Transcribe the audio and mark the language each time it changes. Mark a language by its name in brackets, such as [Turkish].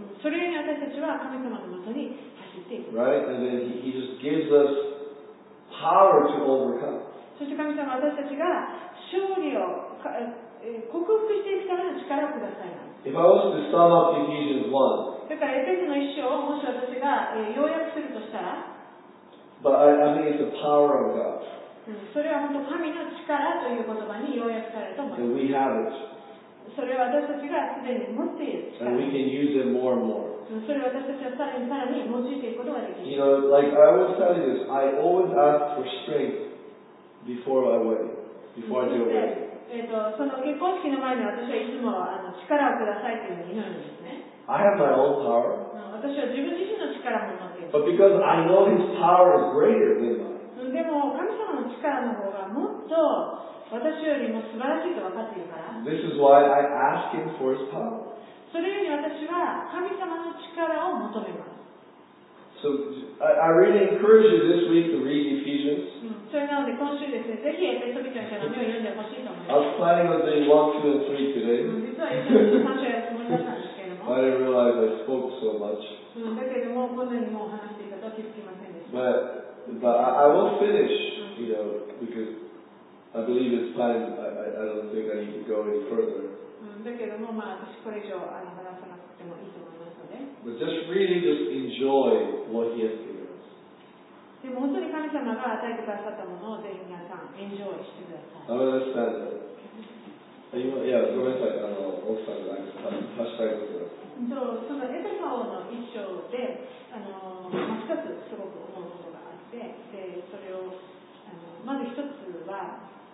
[Japanese] それゆえに私たちは神様のもとに走っていく。 [English] Right? And then he just gives us power to overcome. [Japanese] そして神様は私たちが勝利を克服していくための力をください。 [English] If I was to sum up Ephesians 1, [Japanese] だからエペソの一章をもし私が要約するとしたら、 [English] But I think it's the power of God. [Japanese] それは本当神の力という言葉に要約されると思います。 [English] And we have it. [Japanese] それは私たちがすでに持っている力。 [English] And we can use it more and more. [Japanese] それを私たちはさらにさらに用いていくことができる。 [English] You know, like I always tell you this, I always ask for strength before I wait, before I do it. [Japanese] その結婚式の前に私はいつも力をくださいというのを祈るんですね。 [English] I have my own power. [Japanese] 私は自分自身の力も持っています。 [English] But because I know His power is greater than mine. [Japanese] でも神様の力の方がもっと私よりも素晴らしいと分かっているから。 [English] This is why I ask Him for His power. [Japanese] それゆえに私は神様の力を求めます。 [English] So I really encourage you this week to read Ephesians. [Japanese] それなので今週ですね、ぜひエペソ人たちの目を読んでほしいと思います。 [English] I was planning on doing 1, 2, and 3 today. [Japanese] 実は3章やつもりだったんですけれども。 [English] I didn't realize I spoke so much. [Japanese] だけどもこんなにもう話していたと気づきませんでした。 [English] But I will finish, you know, because I believe it's time. I don't think I need to go any further. [Japanese] だけどもまあ私これ以上話さなくてもいいと思います。 [English] But just really just enjoy what He has given us. [Japanese] でも本当に神様が与えてくださったものをぜひ皆さん、 [English] enjoy [Japanese] してください。 [English] I understand that. [Japanese] ごめんなさい、奥さんが足したいことがある。そのエペソ王の一章で、2つすごく思うことがあって、でそれを、まず1つは、